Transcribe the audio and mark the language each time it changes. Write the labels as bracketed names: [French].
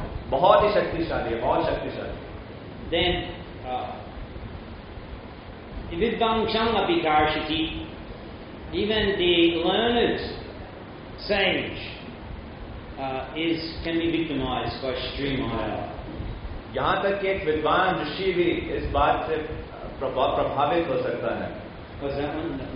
[Hindi] बहुत ही शक्तिशाली है, बहुत शक्तिशाली। [English] Then [Sanskrit] विद्वांसम अपिकार्षिति [English] Even the learned sage can be victimized by Shri Maya। [Hindi] यहां तक एक विद्वान ऋषि भी इस बात से प्रभावित हो सकता है।